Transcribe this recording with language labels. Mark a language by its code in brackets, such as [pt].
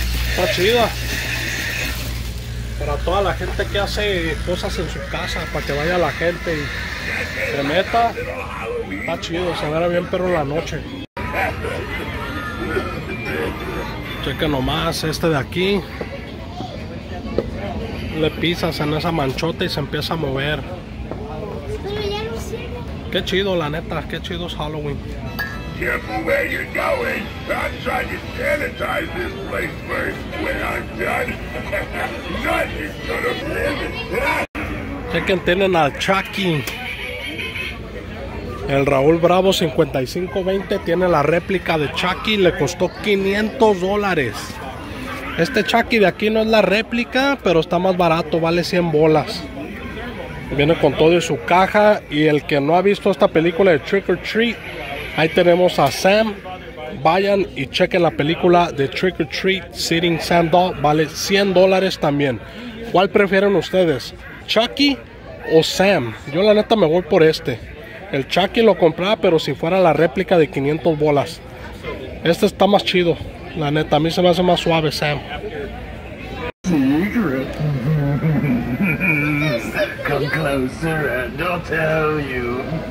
[es] Está chida. Para toda la gente que hace cosas en su casa, para que vaya la gente y se meta, está chido, se verá bien perro la noche. Checa nomás este de aquí. Le pisas en esa manchota y se empieza a mover. Qué chido, la neta, qué chido es Halloween. [en] Careful where you're going. I'm trying to sanitize this place first. When I'm done, none is gonna live. [es] Chequen, tienen al Chucky. El Raúl Bravo 5520 tiene la réplica de Chucky. Le costó $500. Este Chucky de aquí no es la réplica, pero está más barato, vale 100 bolas. Viene con todo y su caja. Y el que no ha visto esta película de Trick or Treat, ahí tenemos a Sam. Vayan y chequen la película de Trick or Treat, Sitting Sam Doll. Vale $100 también. ¿Cuál prefieren ustedes? ¿Chucky o Sam? Yo la neta me voy por este. El Chucky lo compraba, pero si fuera la réplica de 500 bolas. Este está más chido. La neta, a mí se me hace más suave, Sam. [en] Come closer and I'll tell you.